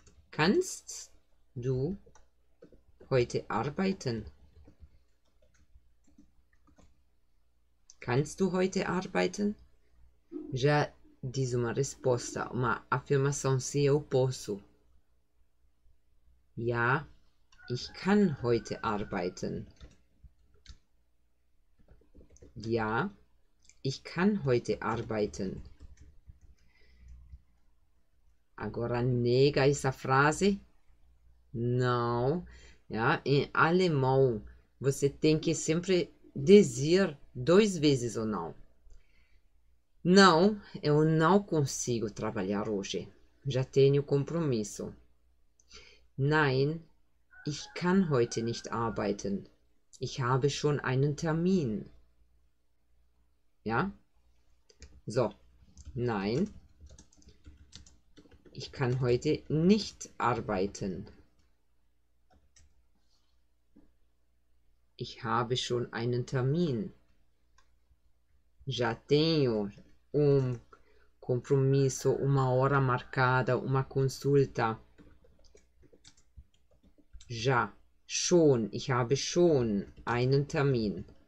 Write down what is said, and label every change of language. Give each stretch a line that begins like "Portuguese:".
German: Kannst du heute arbeiten? Kannst du heute arbeiten?
Portuguese: Já diz uma resposta, uma afirmação se eu posso.
German: Ja, ich kann heute arbeiten. Ja, ich kann heute arbeiten.
Portuguese: Agora nega essa frase. Não, já, em alemão, você tem que sempre dizer duas vezes ou não. Não, eu não consigo trabalhar hoje. Já tenho compromisso.
German: Nein, ich kann heute nicht arbeiten. Ich habe schon einen Termin. Ja? So, nein, ich kann heute nicht arbeiten. Ich habe schon einen Termin.
Portuguese: Já tenho compromisso, uma hora marcada, uma consulta.
German: Já, schon, ich habe schon einen Termin.